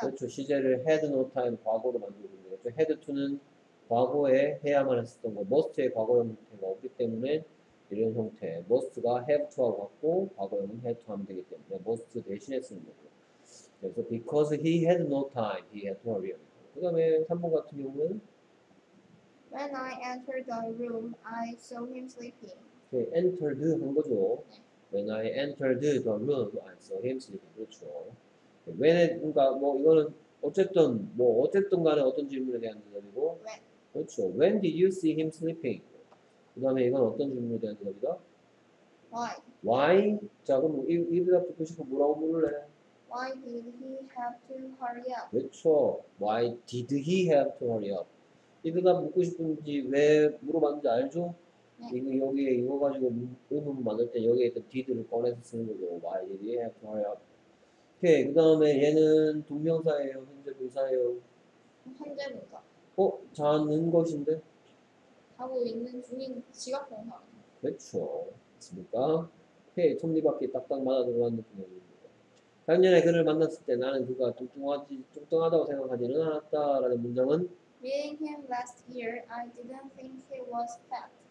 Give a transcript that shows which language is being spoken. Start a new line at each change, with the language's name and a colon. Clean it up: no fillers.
Korean: 그렇죠. 시제를
English: had no time,
Korean: 과거로 만들고 있는 거죠. had to는 과거에 해야만 했었던 거, must의 과거형 형태가 없기 때문에 이런 형태, must가 have to하고 같고 과거형은 had to 하면 되기 때문에 must 대신에 쓰는 거고 그래서
English: because he had no time, he had to hurry up.
Korean: 그 다음에 3번 같은 경우는
English: When I entered the room, I saw him sleeping.
Korean: entered 한 거죠.
English: When I entered the room, I saw him sleeping.
Korean: 그렇죠. When 그러니까 뭐 이거는 어쨌든 뭐 어쨌든간에 어떤 질문에 대한 대답이고.
English: When.
Korean: 그렇죠.
English: When did you see him sleeping?
Korean: 그다음에 이건 어떤 질문에 대한 대답이다.
English: Why? Why?
Korean: 자 그럼 이 대답 듣고 싶어 뭐라고 물을래?
English: Why did he have to hurry up?
Korean: 그렇죠.
English: Why did he have to hurry up?
Korean: 이 대답 묻고 싶은지 왜 물어봤는지 알죠? 이거 여기에 이거 가지고 의문 만들 때 여기에 있던 did를 꺼내서 쓰는 거죠.
English: Why did he have to hurry up? 오케이.
Korean: 그 다음에 얘는 동명사예요. 현재 분사예요. 현재 분사. 어? 자는 것인데? 자고 있는 중인 지각동사. 그렇죠. 맞습니까? 오케이. 톱니바퀴 딱딱 맞아 들어간 느낌입니다. 작년에 그를 만났을 때 나는 그가 뚱뚱하다고 생각하지는 않았다라는 문장은?
English: Meeting him last year, I didn't think he was fat.